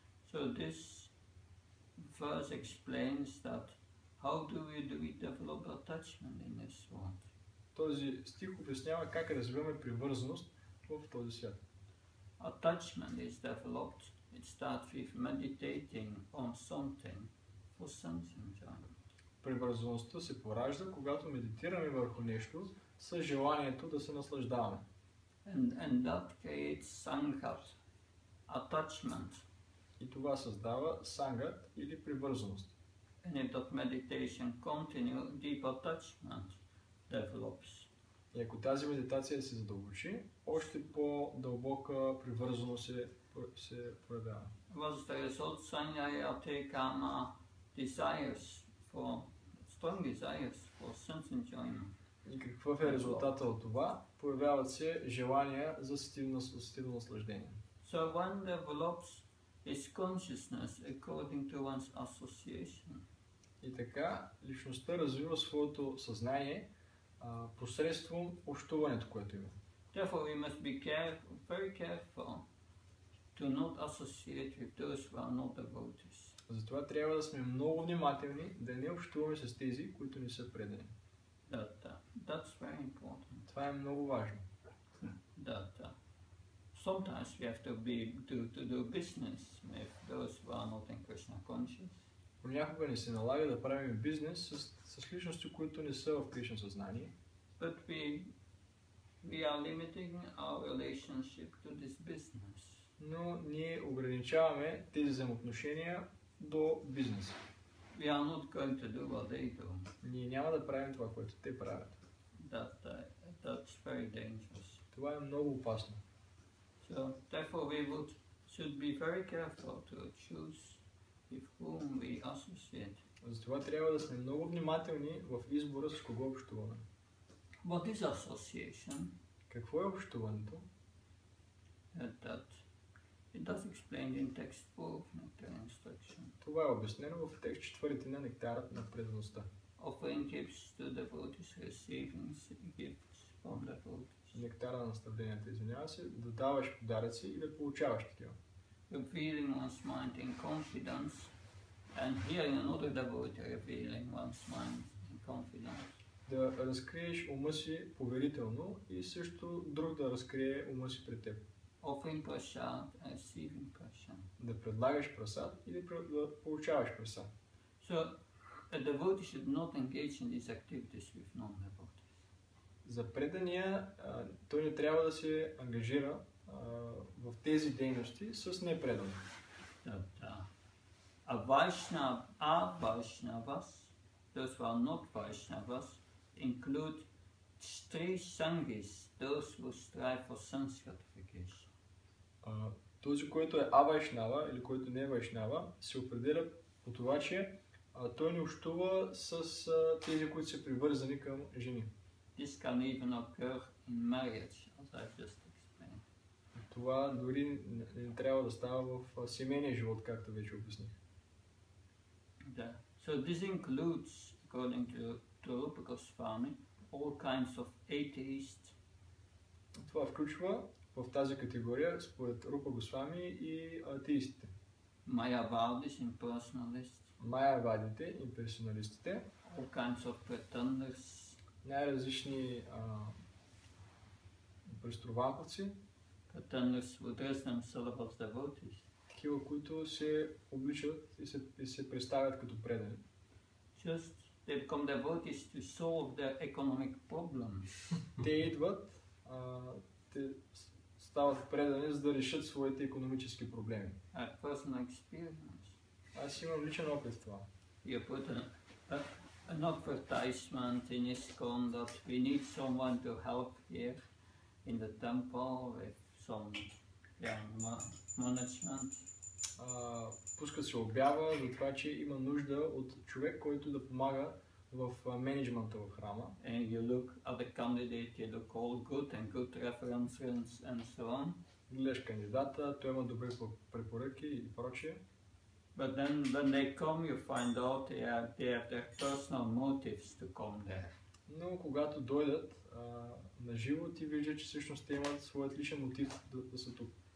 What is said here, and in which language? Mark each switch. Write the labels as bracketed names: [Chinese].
[English] So this verse explains that how do we develop attachment in this world? [Bulgarian] Този стих обяснява как развиваме привързаност в този свят. [English] Attachment is developed, it starts with meditating on something for sense enjoyment. [Bulgarian] Привързаността се поражда, когато медитираме върху нещо, с желанието да се наслаждаваме. [English] And that creates sanghat, attachment. [Bulgarian] И това създава сангат или привързаност. [English] And if that meditation continues, deep attachment develops. [Bulgarian] И ако тази медитация се задълбочи, още по-дълбока привързаност се проявява. [English] Was the result sanyayate kama desires for strong desires for sense enjoyment. [Bulgarian] И какъв е резултатът от това? Появяват се желания за ситивно наслаждение. [English] So one develops his consciousness according to one's association. [Bulgarian] И така, личността развива своето съзнание посредством общуването, което има. [English] Therefore we must be very careful to not associate with those who are not devotees. [Bulgarian] Затова трябва да сме много внимателни да не общуваме с тези, които не са предани. [English] That's very important. [Bulgarian] Това е много важно. [English] Sometimes we have to do business with those who are not in Krishna conscious. [Bulgarian] Понякога не се налага да правим бизнес с личности, които не са в Кришна съзнание. [English] But we are limiting our relationship to this business. [Bulgarian] Но ние ограничаваме тези взаимоотношения до бизнеса. [English] We are not going to do what they do. [Bulgarian] Ние няма да правим това, което те правят. [English] That's very dangerous. [Bulgarian] Това е много опасно. [English] So, therefore we should be very careful to choose with whom we associate. [Bulgarian] Затова трябва да сме много внимателни в избора с кого общуваме. [English] What is association? [Bulgarian] Какво е общуването? [English] It does explain in textbook nectar instruction. [Bulgarian] Това е обяснено в текст четвърти на Нектарът на преданността. [English] Offering gifts to devotees, receiving gifts from devotees. [Bulgarian] Нектара на наставленията, извинява се, да даваш подаръци и да получаваш такива. [English] Revealing one's mind in confidence and hearing another devotee revealing one's mind in confidence. [Bulgarian] Да разкриеш ума си поверително и също друг да разкрие ума си пред теб. [English] Offering prasad and receiving prasad. [Bulgarian] Да предлагаш прасад и да получаваш прасад. [English] So, a devotee should not engage in these activities with non-devotees. [Bulgarian] За предания, той не трябва да се ангажира в тези дейности с непредани. [English] A Vaishnavas, those who are not Vaishnavas, include three sanghis, those who strive for sense gratification. [Bulgarian] Този, който е авайшнава или който не е вайшнава, се определя по това, че той не общува с тези, които са привързани към жени. [English] This can even occur in marriage, as I've just explained. [Bulgarian] Това дори не трябва да става в семейния живот, както вече обясних. Да. [English] So this includes, according to Rupa Goswami, all kinds of atheist. [Bulgarian] Това включва в тази категория, според Рупа Госвами, и атеистите. Майявадис, имперсоналист. Майявадите, имперсоналистите. [English] All kinds of pretenders. [Bulgarian] Най-различни преструванковци. [English] Pretenders would dress themselves as devotees. [Bulgarian] Такива, които се обличат и се представят като предани. [English] Just they become devotees to solve their economic problems. [Bulgarian] Те идват, те стават предани, за да решат своите икономически проблеми. [English] A personal experience. [Bulgarian] Аз имам личен опит в това. [English] You put an advertisement in ISKCON that we need someone to help here in the temple with some management. [Bulgarian] Пускат се обява за това, че има нужда от човек, който да помага в менеджмента в храма. [English] And you look at the candidate, you look all good and good references and so on. [Bulgarian] Гледаш кандидата, той има добри препоръки и прочее. [English] But then when they come, you find out they have their personal motives to come there. [Bulgarian] Но когато дойдат на живо, ти виждаш, че всъщност те имат своят личен мотив да са тук.